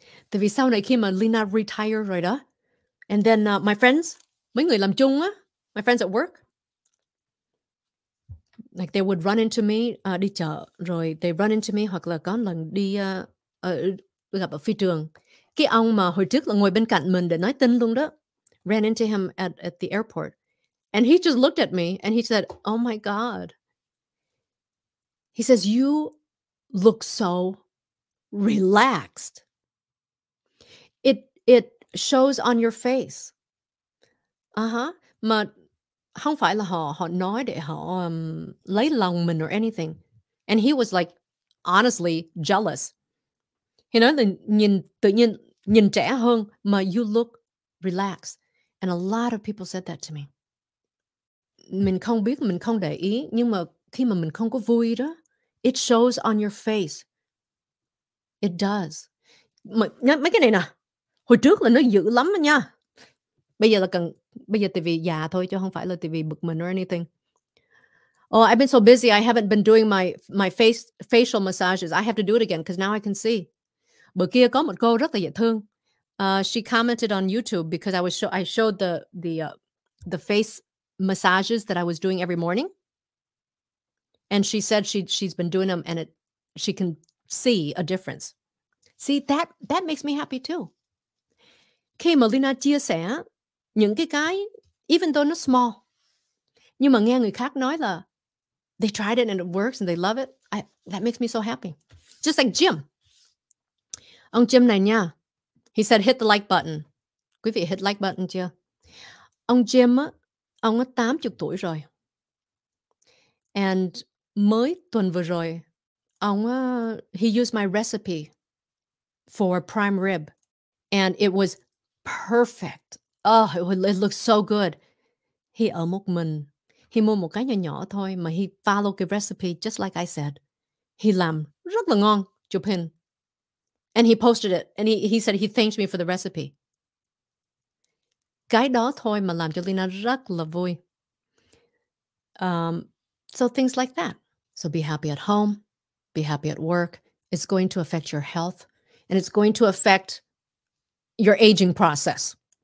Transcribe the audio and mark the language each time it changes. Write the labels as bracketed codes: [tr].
[vi] Tại vì sau này khi mà Lina retire rồi đó, [en] and then my friends, [vi] mấy người làm chung á, [en] my friends at work, like they would run into me [vi] đi chợ, rồi [en] they run into me, [vi] hoặc là có lần đi gặp ở phi trường, cái ông mà hồi trước là ngồi bên cạnh mình để nói tin luôn đó, [en] ran into him at the airport. And he just looked at me and he said, oh my God. He says, you look so relaxed. It shows on your face. Uh-huh. [vi] Mà không phải là họ nói để họ lấy lòng mình [en] or anything. And he was like, honestly, jealous. You know, [vi] nhìn trẻ hơn, mà [en] you look relaxed. And a lot of people said that to me. [vi] Mình không biết, mình không để ý, nhưng mà khi mà mình không có vui đó, [en] it shows on your face. It does. [vi] Mấy cái này nè, hồi trước là nó dữ lắm nha. Bây giờ tại vì già thôi, chứ không phải là tại vì bực mình [en] or anything. Oh, I've been so busy, I haven't been doing my facial massages. I have to do it again, because now I can see. [vi] Bữa kia có một cô rất là dễ thương. [en] She commented on YouTube, because I showed the face massages that I was doing every morning, and she said she's been doing them and she can see a difference. See, that makes me happy too. [vi] Khi mà Lina chia sẻ những cái [en] even though [vi] nó small, nhưng mà nghe người khác nói là [en] they tried it and it works and they love it, that makes me so happy. Just like Jim. [vi] Ông Jim này nha, [en] he said hit the like button. [vi] Quý vị [en] hit like button [vi] chưa? Ông Jim ông 80 tuổi rồi. And mới tuần vừa rồi, [en] he used my recipe for prime rib. And it was perfect. Oh, it looks so good. He [vi] ở một mình. [en] He [vi] mua một cái nhỏ nhỏ thôi, mà [en] he followed the recipe just like I said. [vi] He làm rất là ngon, chụp hình. [en] And he posted it. And he said he thanked me for the recipe. [vi] Cái đó thôi mà làm cho Lina rất là vui. [en] So things like that. So be happy at home, be happy at work. It's going to affect your health, and it's going to affect your aging process.